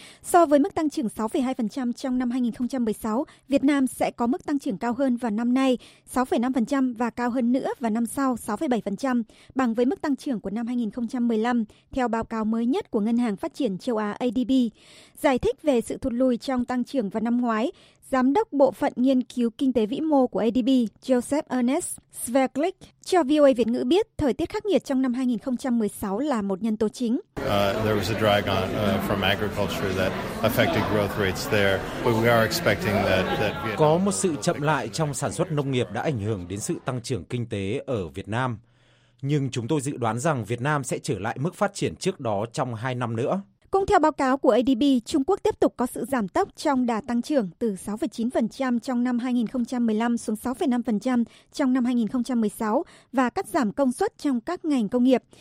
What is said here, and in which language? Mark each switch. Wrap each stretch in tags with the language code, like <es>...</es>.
<vi>So với mức tăng trưởng 6,2% trong năm 2016, Việt Nam sẽ có mức tăng trưởng cao hơn vào năm nay 6,5% và cao hơn nữa vào năm sau 6,7%, bằng với mức tăng trưởng của năm 2015, theo báo cáo mới nhất của Ngân hàng Phát triển Châu Á ADB. Giải thích về sự thụt lùi trong tăng trưởng vào năm ngoái, Giám đốc Bộ phận Nghiên cứu Kinh tế Vĩ mô của ADB, Joseph Ernest Sverglick, cho VOA Việt ngữ biết thời tiết khắc nghiệt trong năm 2016 là một nhân tố chính.</vi> <en>There was a drag on from agriculture that affected growth rates there, but we are expecting that Vietnam...</en> <vi>Có một sự chậm lại trong sản xuất nông nghiệp đã ảnh hưởng đến sự tăng trưởng kinh tế ở Việt Nam. Nhưng chúng tôi dự đoán rằng Việt Nam sẽ trở lại mức phát triển trước đó trong 2 năm nữa. Cũng theo báo cáo của ADB, Trung Quốc tiếp tục có sự giảm tốc trong đà tăng trưởng từ 6,9% trong năm 2015 xuống 6,5% trong năm 2016 và cắt giảm công suất trong các ngành công nghiệp.</vi>